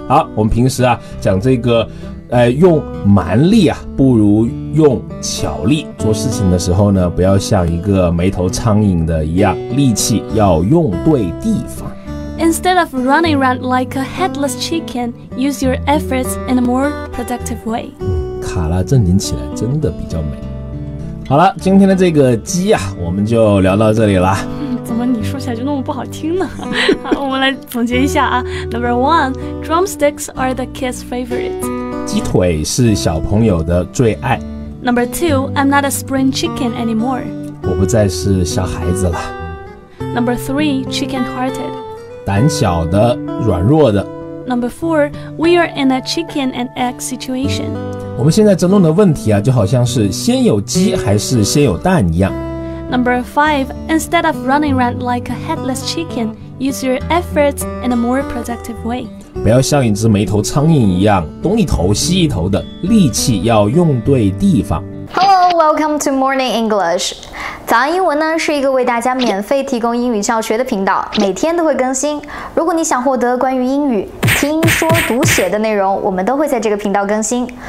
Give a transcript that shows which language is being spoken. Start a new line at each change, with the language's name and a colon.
Chinese: 好，我们平时啊讲这个，用蛮力啊，不如用巧力。做事情的时候呢，不要像一个眉头苍蝇的一样，力气要用对地方。
English: Instead of running around like a headless chicken, use your efforts in a more productive way.
Chinese: 卡拉正经起来真的比较美。好了，今天的这个鸡啊，我们就聊到这里了。怎么你说起来就那么不好听呢？我们来总结一下啊。
English: Number one, drumsticks are the kid's favorite.
Chinese: 鸡腿是小朋友的最爱。
English: Number two, I'm not a spring chicken anymore.
Chinese: 我不再是小孩子了。
English: Number three, chicken-hearted.
Chinese: 胆小的，软弱的。
English: Number four, we are in a chicken and egg situation.
Chinese: 我们现在争论的问题啊，就好像是先有鸡还是先有蛋一样。
English: Number five, instead of running around like a headless chicken, use your efforts in a more productive way.
Chinese: 不要像一只眉头苍蝇一样，东一头西一头的，力气要用对地方。
English: Hello, welcome to Morning English.
Chinese: 早安英文呢是一个为大家免费提供英语教学的频道，每天都会更新。如果你想获得关于英语听说读写的内容，我们都会在这个频道更新。